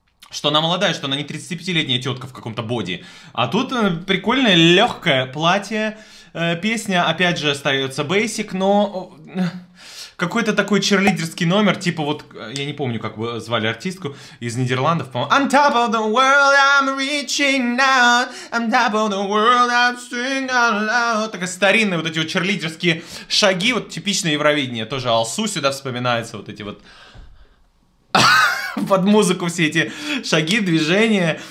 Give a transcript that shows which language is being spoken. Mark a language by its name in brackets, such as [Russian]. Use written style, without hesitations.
[Russian] Что она молодая, что она не 35-летняя тетка в каком-то боди. А тут прикольное, легкое платье. Песня, опять же, остается basic, но какой-то такой черлидерский номер, типа вот, я не помню, как звали артистку, из Нидерландов, по-моему. [English] On top of the world I'm reaching now, on top of the world I'm singing out loud. [Russian] Такие старинные вот эти вот черлидерские шаги, вот типичное Евровидение, тоже Алсу сюда вспоминается, вот эти вот под музыку все эти шаги, движения.